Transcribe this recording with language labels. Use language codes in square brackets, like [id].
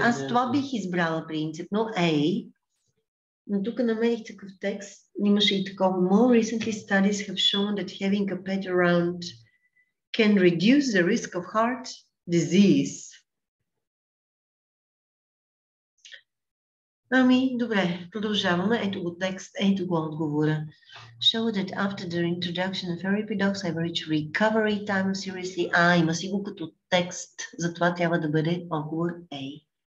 [bg] Аз това бих избрала принципно. Ей, но тук намерих такъв текст. Имаше и такова. [en] More recently studies have shown that having a pet around can reduce the risk of heart disease. [bg] Ами, добре, продължаваме. Ето го текст, ето го отговора. [en] Show that after the introduction of therapy dogs, average recovery time seriously. [bg] А, има си го като текст, затова трябва да бъде отговор A.